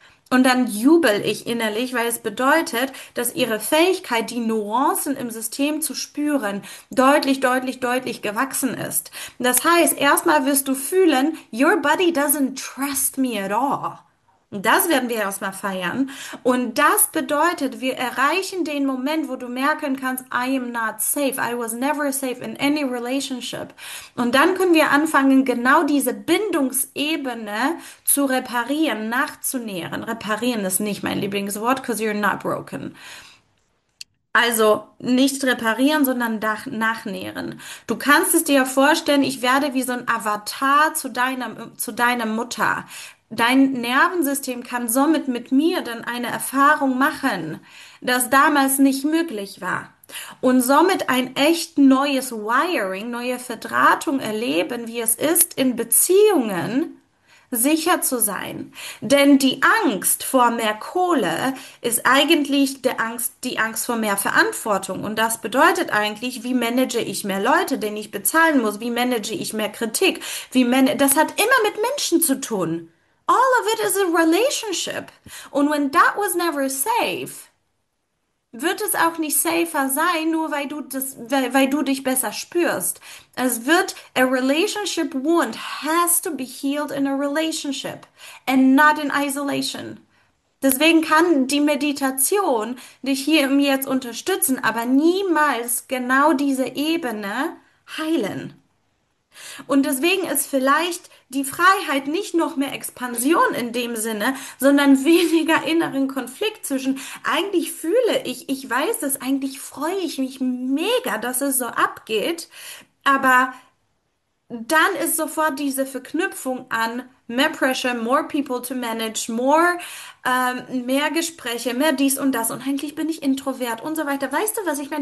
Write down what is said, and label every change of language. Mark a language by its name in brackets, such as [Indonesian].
[German] Und dann jubel ich innerlich, weil es bedeutet, dass ihre Fähigkeit, die Nuancen im System zu spüren, deutlich, deutlich, deutlich gewachsen ist. Das heißt, erstmal wirst du fühlen, [English] your body doesn't trust me at all. [German] Das werden wir erstmal feiern. Und das bedeutet, wir erreichen den Moment, wo du merken kannst, [English] I am not safe. I was never safe in any relationship. [German] Und dann können wir anfangen, genau diese Bindungsebene zu reparieren, nachzunähren. Reparieren ist nicht mein Lieblingswort, [English] because you're not broken. [German] Also nicht reparieren, sondern nachnähren. Du kannst es dir vorstellen, ich werde wie so ein Avatar zu deiner Mutter. Dein Nervensystem kann somit mit mir dann eine Erfahrung machen, das damals nicht möglich war. Und somit ein echt neues Wiring, neue Verdrahtung erleben, wie es ist, in Beziehungen sicher zu sein. Denn die Angst vor mehr Kohle ist eigentlich die Angst vor mehr Verantwortung. Und das bedeutet eigentlich, wie manage ich mehr Leute, denen ich bezahlen muss? Wie manage ich mehr Kritik? Das hat immer mit Menschen zu tun. [English] All of it is a relationship. [German] Und [English] when that was never safe, [German] wird es auch nicht safer sein, nur weil du dich besser spürst. Es wird, [English] a relationship wound has to be healed in a relationship and not in isolation. [German] Deswegen kann die Meditation dich hier im Jetzt unterstützen, aber niemals genau diese Ebene heilen. Und deswegen ist vielleicht die Freiheit nicht noch mehr Expansion in dem Sinne, sondern weniger inneren Konflikt zwischen, eigentlich fühle ich weiß es, eigentlich freue ich mich mega, dass es so abgeht, aber dann ist sofort diese Verknüpfung an mehr Pressure, [English] more people to manage, [German] mehr Gespräche, mehr dies und das und eigentlich bin ich introvert und so weiter. Weißt du, was ich meine?